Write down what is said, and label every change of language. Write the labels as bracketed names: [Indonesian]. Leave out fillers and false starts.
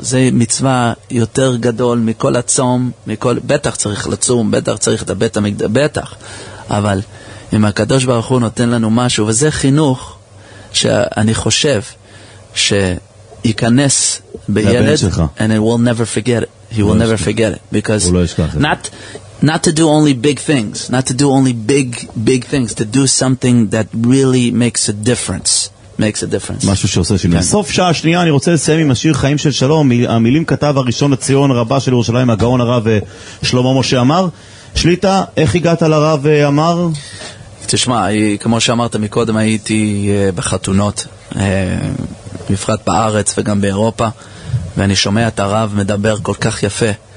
[Hebrew] זה מצווה יותר גדול מכל הצום, בטח צריך לצום, בטח צריך את הבית המקדש, בטח. אבל אם הקדוש ברוך הוא נותן לנו משהו, וזה חינוך שאני חושב שיכנס בילד, [English] and it will never forget it. He will never forget it. Because not to do only big things, not to do only big things, to do something that really makes a difference. makes a difference. [Hebrew] משהו שעושה שינוי. בסוף שעה שנייה אני רוצה לסיים עם השיר חיים של שלום, המילים כתב הראשון לציון רבה של ירושלים, הגאון הרב שלמה משה אמר. שליטה, איך הגעת לרב אמר? תשמע, כמו שאמרת מקודם, הייתי בחתונות, בפרט בארץ וגם באירופה, ואני שומע את הרב מדבר כל כך יפה.